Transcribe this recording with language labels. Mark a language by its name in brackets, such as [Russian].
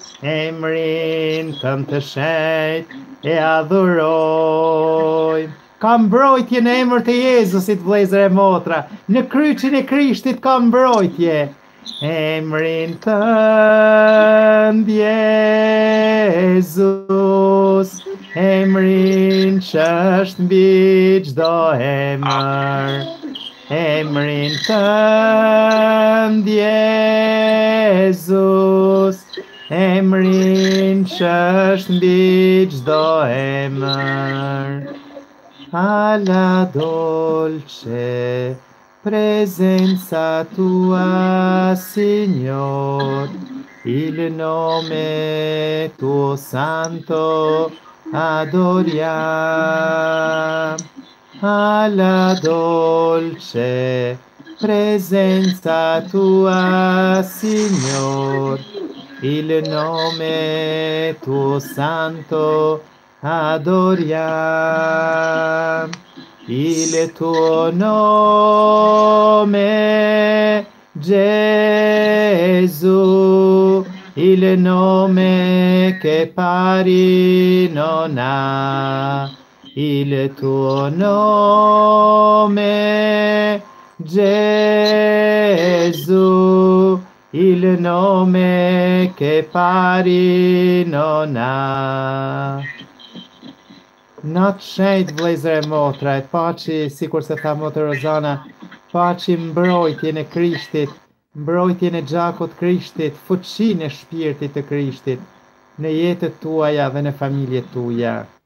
[Albanian] emrin tante shei e adoroi kam mbrojtje në emër të Jezusit vlezër e motra në kryqin e Krishtit kam mbrojtje Emrin tënd, Jezus, emrin që është mbi çdo emër. Emrin tënd, Jezus, emrin që është mbi çdo emër. [Italian] Alla dolce. Presenza tua, Signore, il nome tuo santo adoriamo. Alla dolce presenza tua, Signore, il nome tuo santo adoriamo. Il tuo nome, Gesù, il nome che pari non ha. Il tuo nome, Gesù, il nome che pari non ha. [Albanian] Not shade, vlezër e motra, e paqi, si kur se tha motër Rozana, paqi mbrojtjen e Krishtit, mbrojtjen e gjakut Krishtit, fuqin e shpirtit të Krishtit, në jetët tuaja dhe në familje tuja.